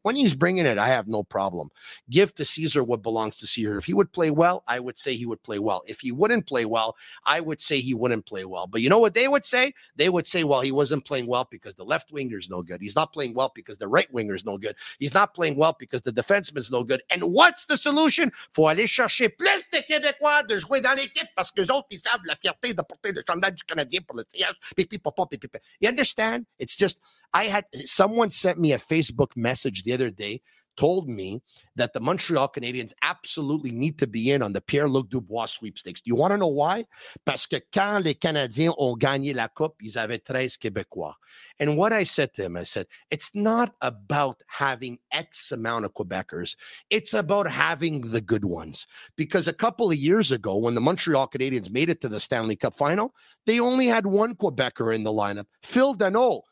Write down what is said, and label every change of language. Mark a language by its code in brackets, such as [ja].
[en] When he's bringing it, I have no problem. Give to Caesar what belongs to Caesar. If he would play well, I would say he would play well. If he wouldn't play well, I would say he wouldn't play well. But you know what they would say? They would say, well, he wasn't playing well because the left winger is no good. He's not playing well because the right winger is no good. He's not playing well because the defenseman is no good. And what's the solution? [fr] Faut aller chercher plus de Québécois de jouer dans l'équipe parce que les autres, ils savent la fierté de porter le chandail du Canadien pour le siège. [en] You understand? It's just, someone sent me a Facebook message the other day told me that the Montreal Canadiens absolutely need to be in on the Pierre-Luc Dubois sweepstakes. Do you want to know why? [fr] Parce que quand les Canadiens ont gagné la Coupe, ils avaient 13 Québécois. [en] And what I said to him, I said, it's not about having X amount of Quebecers. It's about having the good ones. Because a couple of years ago, when the Montreal Canadiens made it to the Stanley Cup final, they only had one Quebecer in the lineup, Phil Danault.